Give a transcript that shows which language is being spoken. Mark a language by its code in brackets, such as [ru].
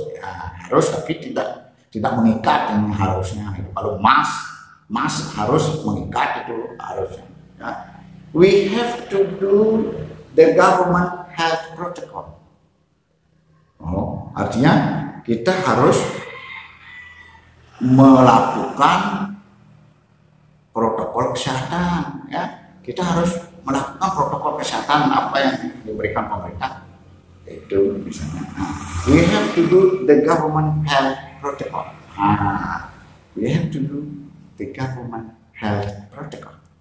[id] Ya, harus tapi tidak mengikat yang harusnya. Kalau must harus mengikat itu harusnya. Ya. [en] We have to do the government health protocol. [id] Oh, artinya kita harus melakukan protokol kesehatan, ya. Kita harus melakukan protokol kesehatan apa yang diberikan pemerintah. Itu misalnya. [en] We have to do the government health protocol. We have to do the government health protocol.